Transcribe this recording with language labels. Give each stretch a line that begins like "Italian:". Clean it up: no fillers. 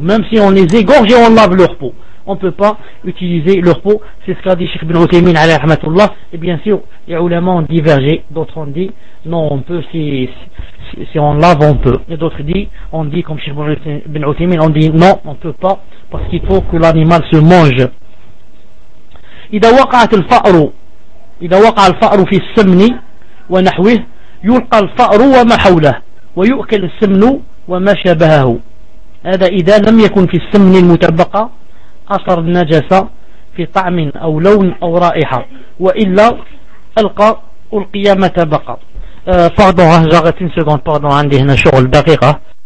French: Même si on les égorge et on lave leur peau, on ne peut pas utiliser leur peau. C'est ce qu'a dit Cheikh Ibn Uthaymeen alayhi rahmatullah. Et bien sûr, les ulama ont divergé. D'autres ont dit non, on peut si on lave, on peut. Et d'autres ont dit comme Cheikh Ibn Uthaymeen, on dit non, on ne peut pas parce qu'il faut que l'animal se mange.
Arabic: إذا وقعت الفأر, إذا وقع الفأر في السمن ونحوه, يلقى الفأر وما حوله ويؤكل السمن وما شبهه. هذا إذا لم يكن في السمن المتبقى أثر النجسة في طعم أو لون أو رائحة, وإلا ألقي ما تبقى.
French: Pardon, j'arrête une seconde, pardon,
Arabic: عندي هنا شغل دقيقة.